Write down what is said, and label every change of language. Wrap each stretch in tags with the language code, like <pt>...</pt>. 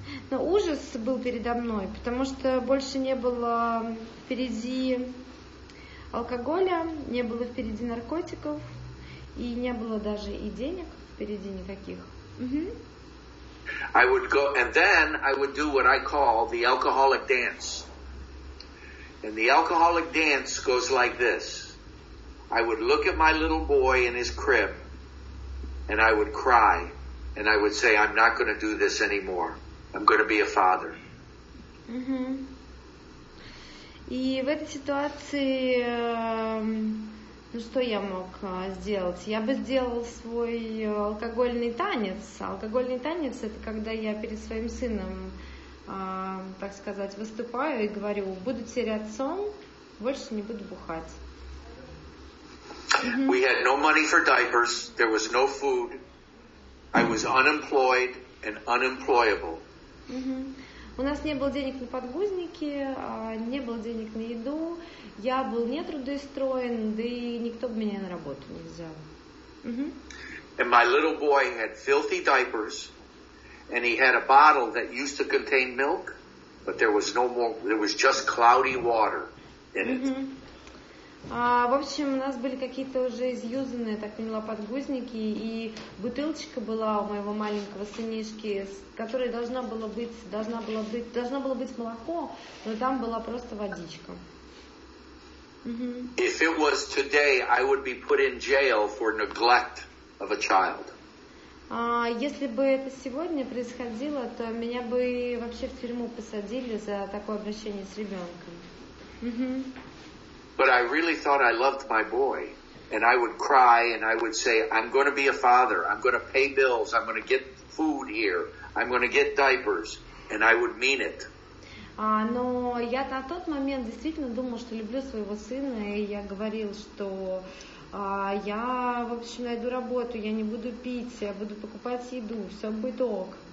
<ru>Но ужас был передо мной, потому что больше не было впереди алкоголя, не было впереди наркотиков, и не было даже и денег впереди никаких.</ru> <en>I would go, and then I would do what I call the alcoholic dance. And the alcoholic dance goes like this. I would look at my little boy in his crib, and I would cry, and I would say, I'm not going to do this anymore. I'm going to be a father.</en> <ru>И в этой ситуации, ну что я мог сделать? Я бы сделал свой алкогольный танец. Алкогольный танец – это когда я перед своим сыном, так сказать, выступаю и говорю, буду теперь отцом, больше не буду бухать.</ru> <en>We had no money for diapers, there was no food, I was unemployed and unemployable.</en> <ru>У нас не было денег на подгузники, не было денег на еду, я был нетрудоустроен, да и никто бы меня на работу не взял.</ru> <en>And my little boy had filthy diapers, and he had a bottle that used to contain milk, but there was no more, there was just cloudy water in it.</en> <ru>В общем, у нас были какие-то уже изъюзанные, так поняла, подгузники, и бутылочка была у моего маленького сынишки, которой должно было быть молоко, но там была просто водичка.</ru> <en>If it was today, I would be put in jail for neglect of a child.</en> <ru>Если бы это сегодня происходило, то меня бы вообще в тюрьму посадили за такое обращение с ребенком.</ru> <en>But I really thought I loved my boy, and I would cry, and I would say, I'm going to be a father, I'm going to pay bills, I'm going to get food here, I'm going to get diapers, and I would mean it.</en> <ru>Но я на тот момент действительно думал, что люблю своего сына, и я говорил, что я, в общем, найду работу, я не буду пить, я буду покупать еду, все будет ок.</ru>